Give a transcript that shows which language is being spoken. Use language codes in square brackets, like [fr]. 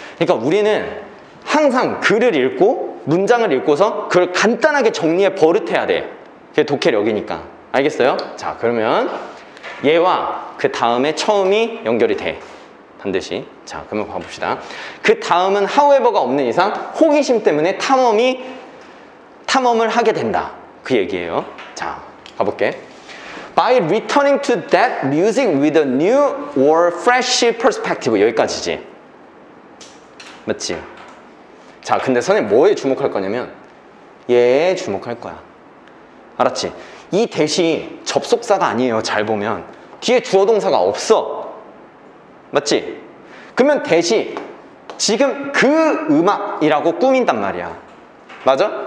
[ko] 그러니까 우리는 항상 글을 읽고 문장을 읽고서 그걸 간단하게 정리해 버릇해야 돼. 그게 독해력이니까. 알겠어요? 자, 그러면 얘와 그 다음에 처음이 연결이 돼. 반드시. 자, 그러면 봐봅시다. 그 다음은 however가 없는 이상 호기심 때문에 탐험을 하게 된다. 그 얘기예요. 자, 가볼게. [en] By returning to that music with a new or fresh perspective. [ko] 여기까지지. 맞지? 자, 근데 선생님 뭐에 주목할 거냐면 얘에 주목할 거야. 알았지? 이 대시 접속사가 아니에요. 잘 보면 뒤에 주어 동사가 없어. 맞지? 그러면 대시 지금 그 음악이라고 꾸민단 말이야. 맞아?